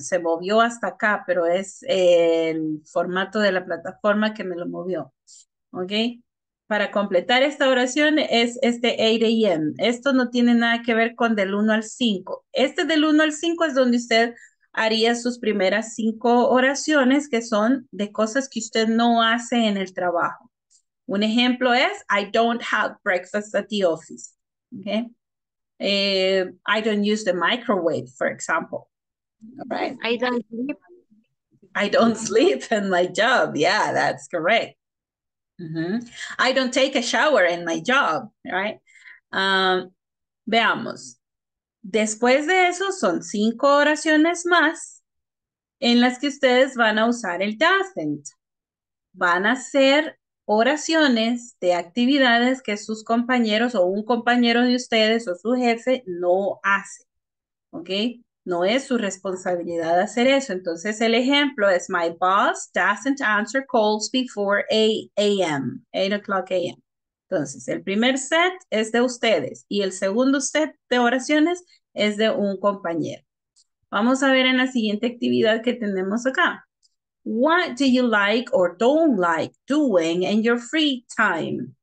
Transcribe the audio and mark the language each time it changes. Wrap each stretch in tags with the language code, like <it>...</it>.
<es>Se movió hasta acá, pero es el formato de la plataforma que me lo movió. Okay. Para completar esta oración es este 8 a.m. Esto no tiene nada que ver con del 1 al 5. Este del 1 al 5 es donde usted haría sus primeras 5 oraciones, que son de cosas que usted no hace en el trabajo. Un ejemplo es,</es> <en>I don't have breakfast at the office. Okay. I don't use the microwave, for example. Right? I don't sleep in my job. Yeah, that's correct. Mm-hmm. I don't take a shower in my job, right?</en> <es>Veamos. Después de eso, son 5 oraciones más en las que ustedes van a usar el doesn't. Van a ser oraciones de actividades que sus compañeros o un compañero de ustedes o su jefe no hace. ¿Ok? No es su responsabilidad hacer eso. Entonces, el ejemplo es,</es> <en>my boss doesn't answer calls before 8 a.m. 8 o'clock a.m.</en> <es>Entonces, el primer set es de ustedes y el segundo set de oraciones es de un compañero. Vamos a ver en la siguiente actividad que tenemos acá.</es> <en>What do you like or don't like doing in your free time?</en>